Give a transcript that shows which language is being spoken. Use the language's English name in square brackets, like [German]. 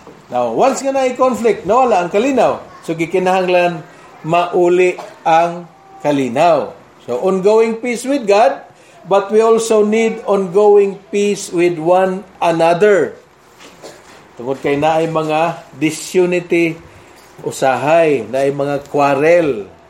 [Cebuano] Now, once nga na ay conflict, nawala ang kalinaw. So, gikinahanglan, mauli ang kalinaw. [English] So, ongoing peace with God, but we also need ongoing peace with one another. [Cebuano] Tungod kay naay mga disunity usahay, naay mga quarrel.